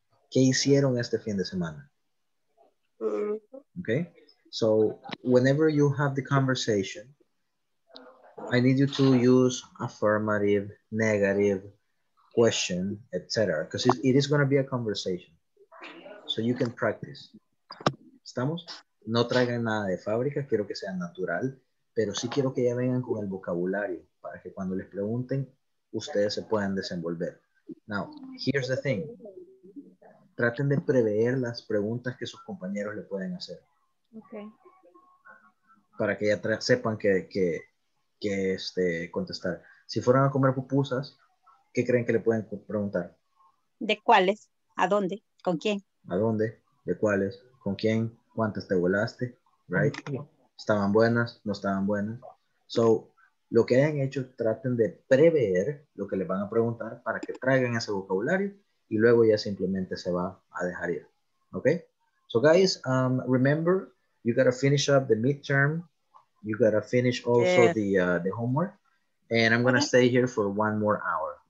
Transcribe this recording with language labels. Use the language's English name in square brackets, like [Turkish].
[Spanish] ¿Qué hicieron este fin de semana? Okay. [English] So, whenever you have the conversation, I need you to use affirmative, negative, question, etc. Because it is going to be a conversation. So you can practice. ¿Estamos? [Spanish] No traigan nada de fábrica, quiero que sea natural, pero sí quiero que ya vengan con el vocabulario para que cuando les pregunten, ustedes se puedan desenvolver. [English] Now, here's the thing. [Spanish] Traten de prever las preguntas que sus compañeros le pueden hacer. [English] Okay. [Spanish] Para que ya sepan que contestar. Si fueran a comer pupusas, ¿qué creen que le pueden preguntar? ¿De cuáles? ¿A dónde? ¿Con quién? ¿A dónde? ¿De cuáles? ¿Con quién? ¿Cuántas te volaste? Right? ¿Estaban buenas? ¿No estaban buenas? So, lo que hayan hecho, traten de prever lo que les van a preguntar para que traigan ese vocabulario y luego ya simplemente se va a dejar ir. [English] Okay? So, guys, remember, you gotta finish up the midterm. You gotta finish also the homework. And I'm gonna stay here for one more hour.